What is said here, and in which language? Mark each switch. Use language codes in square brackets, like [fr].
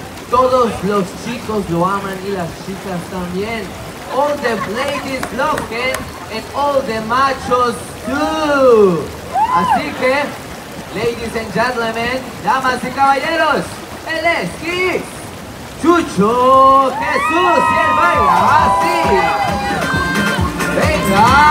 [es] Todos los chicos lo aman y las chicas también. [en] All the ladies love him and all the machos too. [es] Así que, [en] ladies and gentlemen, [es] damas y caballeros, él es Chucho Jesús, y él baila así. Venga.